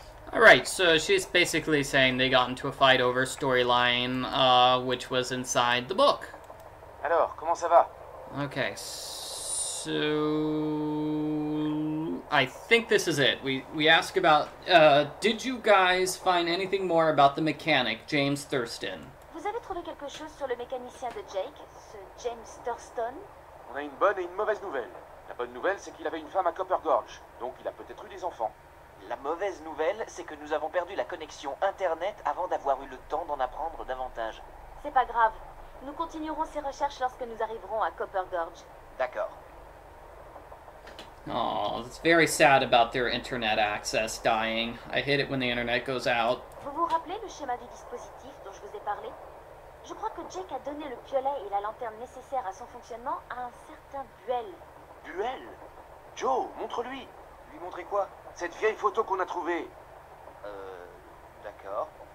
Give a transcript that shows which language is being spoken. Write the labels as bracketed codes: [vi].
[en] All right, so she's basically saying they got into a fight over storyline, which was inside the book. [fr] Alors, comment ça va? [en] Okay, so I think this is it. We ask about, did you guys find anything more about the mechanic, James Thurston? [fr] Vous avez trouvé quelque chose sur le mécanicien de Jake, ce James Thurston? On a une bonne et une mauvaise nouvelle. La bonne nouvelle, c'est qu'il avait une femme à Copper Gorge, donc il a peut-être eu des enfants. La mauvaise nouvelle, c'est que nous avons perdu la connexion Internet avant d'avoir eu le temps d'en apprendre davantage. C'est pas grave. Nous continuerons ces recherches lorsque nous arriverons à Copper Gorge. D'accord. [en] Oh, it's very sad about their Internet access dying. I hate it when the Internet goes out. [fr] Vous vous rappelez le schéma du dispositif dont je vous ai parlé? Je crois que Jake a donné le piolet et la lanterne nécessaire à son fonctionnement à un certain Buell. Buell? Joe, montre-lui. Lui montrer quoi? Cette vieille photo qu'on a trouvée. D'accord.